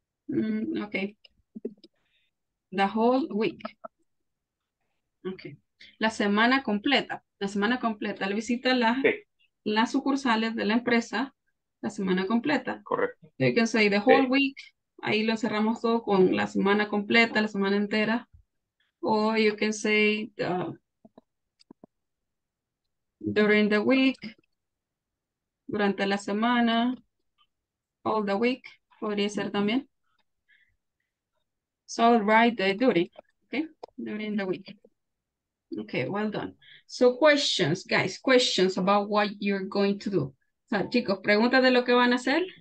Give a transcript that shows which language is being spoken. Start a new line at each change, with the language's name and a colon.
English: Okay. The whole week. Okay.
Spanish: La semana completa. La semana completa. Le visita la, sí, las sucursales de la empresa la semana completa. Correcto.
English: You can say the whole, sí, week.
Spanish: Ahí lo cerramos todo con la semana completa, la semana entera.
English: O you can say the, during the week.
Spanish: Durante la semana.
English: All the week.
Spanish: Podría ser también.
English: So write the duty, okay? During the week. Okay, well done. So questions, guys, questions about what you're going to do.
Spanish: So, chicos, preguntas de lo que van a hacer.